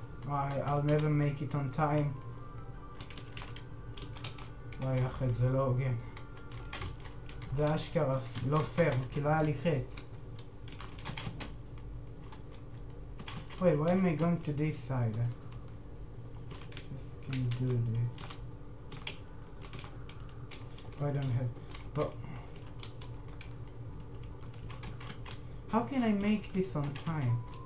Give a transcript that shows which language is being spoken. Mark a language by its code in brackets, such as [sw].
[en] I'll never make it on time. [he] וואי אחת, זה לא הוגן. זה אשכרה, לא פייר, כי לא היה לי חץ. [en] Wait, why am I going to this side? Just can do this. I don't have... But... How can I make this on time?